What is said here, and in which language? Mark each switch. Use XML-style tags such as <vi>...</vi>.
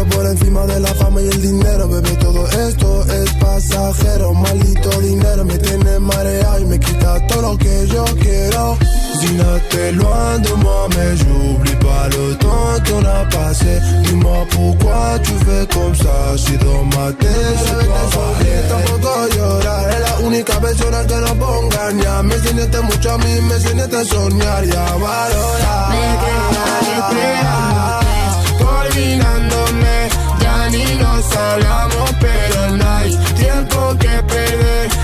<es>Encima de la fama y el dinero, bebé, todo esto es para... pasajero. Maldito dinero me tiene mareado y me quita todo lo que yo quiero. Si no te lo ando, mami,</es> <fr>j'oublie pas le temps qu'on a passé. Dis-moi pourquoi tu fais comme ça, si dans ma tête je peux pas parler.</fr> <es>Tampoco llorar, es la única persona que no puedo engañar. Me enseñaste mucho a mí, me enseñaste a soñar y a valorar. Me quedo despegando, olvidándome. Ya ni nos hablamos, pero no hay tiempo que perder.</es>